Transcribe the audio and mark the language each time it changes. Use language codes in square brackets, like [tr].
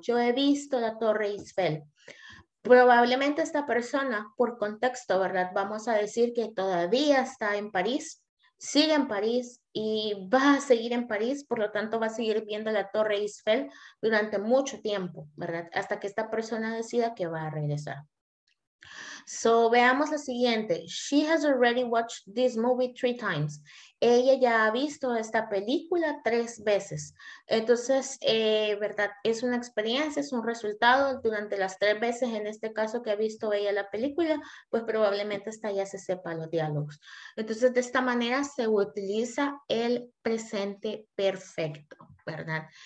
[es] Yo he visto la Torre Eiffel. Probablemente esta persona, por contexto, ¿verdad? Vamos a decir que todavía está en París, sigue en París y va a seguir en París, por lo tanto va a seguir viendo la Torre Eiffel durante mucho tiempo, ¿verdad? Hasta que esta persona decida que va a regresar. So, veamos la siguiente. [en] She has already watched this movie three times. [es] Ella ya ha visto esta película tres veces. Entonces, ¿verdad? Es una experiencia, es un resultado durante las tres veces en este caso que ha visto ella la película, pues probablemente hasta ya se sepa los diálogos. Entonces, de esta manera se utiliza el presente perfecto, ¿verdad?